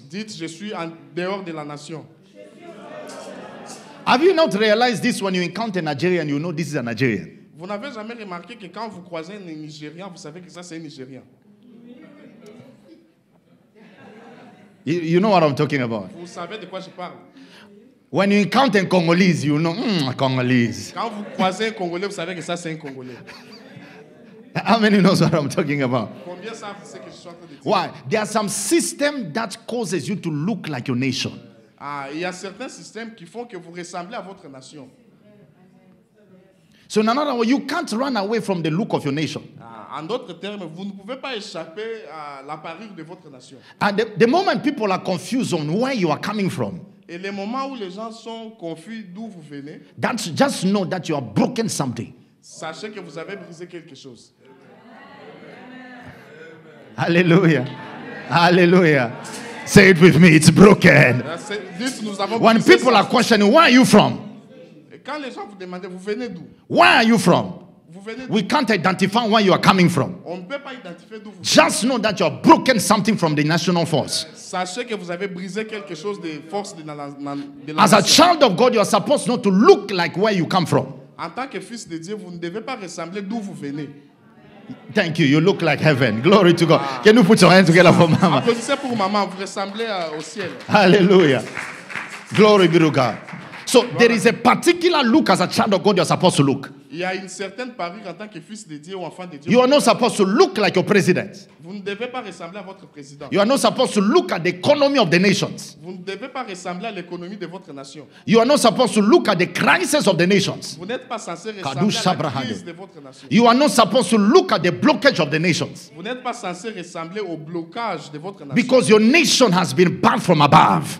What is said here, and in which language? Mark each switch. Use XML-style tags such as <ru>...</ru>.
<fr>Dites, je suis en dehors de la nation.</fr> <en>Have you not realized this when you encounter a Nigerian, you know this is a Nigerian?</en> <fr>Vous n'avez jamais remarqué que quand vous croisez un Nigérian, vous savez que ça c'est un Nigérian.</fr> <en>You know what I'm talking about.</en> <fr>Vous savez de quoi je parle.</fr> <en>When you encounter Congolese, you know, Congolese.</en> <fr>Quand vous croisez un Congolais, vous savez que ça c'est un Congolais.</fr> <en>How many knows what I'm talking about?</en> <fr>Combien savent ce que je suis en train de dire?</fr> <en>Why? There are some system that causes you to look like your nation.</en> <fr>Ah, il y a certains systèmes qui font que vous ressemblez à votre nation.</fr> <en>So in another word, you can't run away from the look of your nation.</en> <fr>En d'autres termes, vous ne pouvez pas échapper à l'apparence de votre nation.</fr> <en>And the moment people are confused on where you are coming from.</en> <fr>Et le moment où les gens sont confus d'où vous venez.</fr> <en>That's just know that you have broken something.</en> <fr>Sachez que vous avez brisé quelque chose.</fr> <en>Alléluia. Alléluia. Say it with me, it's broken. When people are questioning, where are you from?</en> <fr>Quand les gens vous demandent, vous venez d'où?</fr> <en>Where are you from?</en> <fr>Vous venez d'où?</fr> <en>We can't identify where you are coming from.</en> <fr>On peut pas identifier d'où vous venez.</fr> <en>Just know that you have broken something from the national force.</en> <fr>Sachez que vous avez brisé quelque chose des forces de la nation.</fr> <en>As a child of God, you are supposed not to look like where you come from.</en> <fr>En tant que fils de Dieu, vous ne devez pas ressembler d'où vous venez.</fr> <en>Thank you. You look like heaven. Glory to God. Can you put your hands together for mama?</en> <fr>Applaudissez pour maman. Vous ressemblez au ciel.</fr> <en>Hallelujah. Glory be to God. So there is a particular look as a child of God you are supposed to look.</en> <fr>Il y a une certaine parure en tant que fils de Dieu ou enfant de Dieu.</fr> <en>You are not supposed to look like your president.</en> <fr>Vous ne devez pas ressembler à votre président.</fr> <en>You are not supposed to look at the economy of the nations.</en> <fr>Vous ne devez pas ressembler à l'économie de votre nation.</fr> <en>You are not supposed to look at the crisis of the nations.</en> <fr>Vous n'êtes pas censé ressembler à la crise de votre nation.</fr> <en>You are not supposed to look at the blockage of the nations.</en> <fr>Vous n'êtes pas censé ressembler au blocage de votre nation.</fr> <en>Because your nation has been born from above.</en>